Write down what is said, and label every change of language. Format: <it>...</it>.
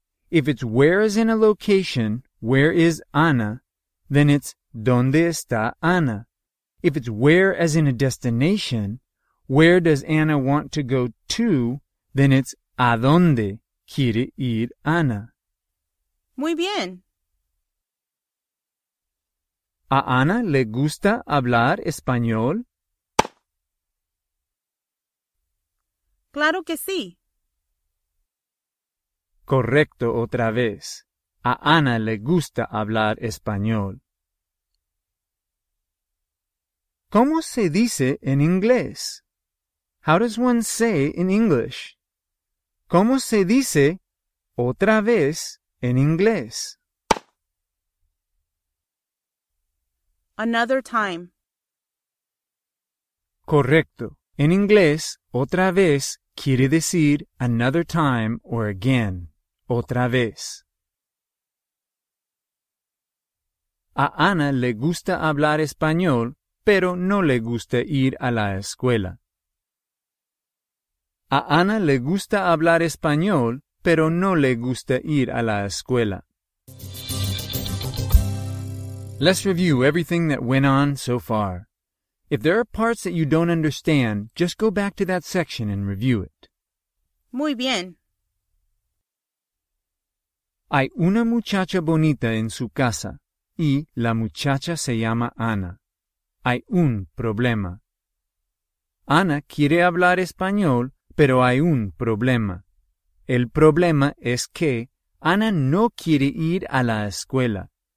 <en>If it's where is in a location, where is Ana, then it's</en> <es>¿dónde está Ana?</es> <en>If it's where as in a destination, where does Ana want to go to, then it's</en> <es>¿a dónde quiere ir Ana? Muy bien. ¿A Ana le gusta hablar español? Claro que sí. Correcto otra vez. A Ana le gusta hablar español. ¿Cómo se dice en inglés?</es> <en>How does one say in English?</en> <es>¿Cómo se dice otra vez en inglés?</es> <en>Another time.</en> <es>Correcto. En inglés, otra vez quiere decir</es> <en>another time or again.</en> <es>Otra vez. A Ana le gusta hablar español, pero no le gusta ir a la escuela. A Ana le gusta hablar español, pero no le gusta ir a la escuela.</es> <en>Let's review everything that went on so far. If there are parts that you don't understand, just go back to that section and review it.</en> <es>Muy bien. Hay una muchacha bonita en su casa, y la muchacha se llama Ana. Hay un problema. Ana quiere hablar español, pero hay un problema. El problema es que Ana no quiere ir a la escuela.</es>